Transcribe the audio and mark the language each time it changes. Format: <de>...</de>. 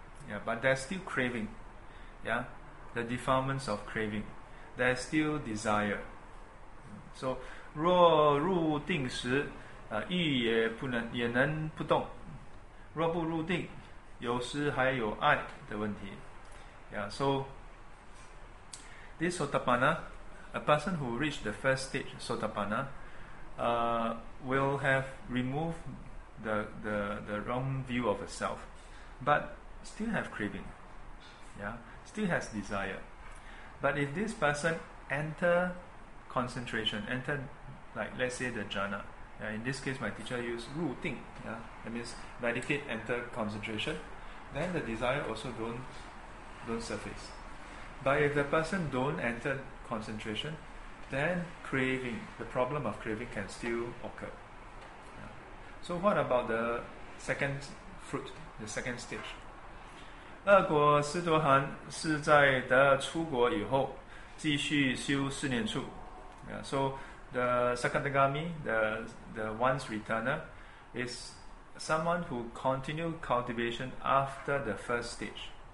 <en>Yeah, but there's still craving. Yeah, the defilements of craving. There's still desire.</en> <zh>So, 若入定时，欲也不能不动。若不入定，有时还有爱的问题。</zh> <en>Yeah, so, this sotapanna, a person who reached the first stage sotapanna, will have removed the wrong view of a self, but still have craving, yeah, still has desire. But if this person enter concentration, enter, like let's say the jhana, yeah, in this case my teacher used</en> <zh>入定,</zh> <en>yeah, that means meditate, enter concentration, then the desire also don't surface. But if the person don't enter concentration, then craving, the problem of craving can still occur. Yeah. So what about the second fruit, the second stage?</en> <zh>二果斯陀含是在得出国以后继续修四念处.</zh> <en>Yeah, so the Sakadagami, the once returner, is someone who continue cultivation after the first stage.</en>